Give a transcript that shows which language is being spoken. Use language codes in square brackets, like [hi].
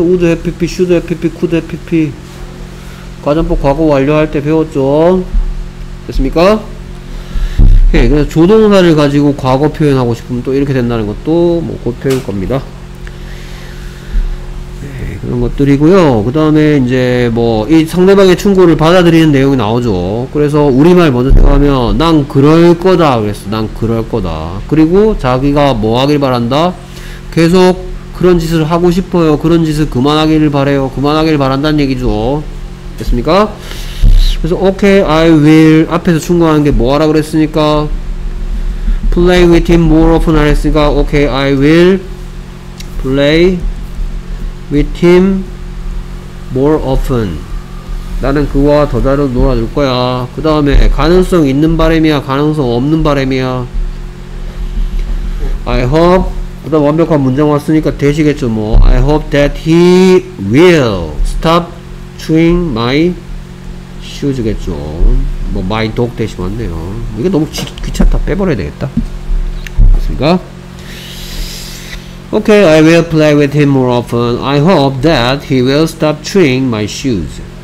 [en] would have pp, should have pp, could have pp. [ko] 과정법 과거 완료할 때 배웠죠. 됐습니까? 오케이. 그래서 조동사를 가지고 과거 표현하고 싶으면 또 이렇게 된다는 것도 뭐 곧 배울 겁니다. 그런 것들이고요. 그 다음에 이제 뭐 이 상대방의 충고를 받아들이는 내용이 나오죠. 그래서 우리말 먼저 생각하면 난 그럴 거다 그랬어. 난 그럴 거다. 그리고 자기가 뭐 하길 바란다? 계속 그런 짓을 하고 싶어요. 그런 짓을 그만하기를 바래요. 그만하기를 바란다는 얘기죠. 됐습니까? 그래서 오케이 [en] I will [ko] 앞에서 충고하는 게 뭐 하라 그랬으니까 play with him more often 안 했으니까 오케이 [en] I will play with him more often. [ko] 나는 그와 더 자주 놀아줄 거야. 그 다음에 가능성 있는 바람이야 가능성 없는 바람이야? [en] I hope. [ko] 그 다음 완벽한 문장 왔으니까 되시겠죠. [en] 뭐 I hope that he will stop chewing my [ko] 슈즈겠죠. 뭐 마이 독 대신 왔네요. 이게 너무 귀찮다. 빼버려야 되겠다. 맞습니까? [en] Okay, I will play with him more often. I hope that he will stop chewing my shoes.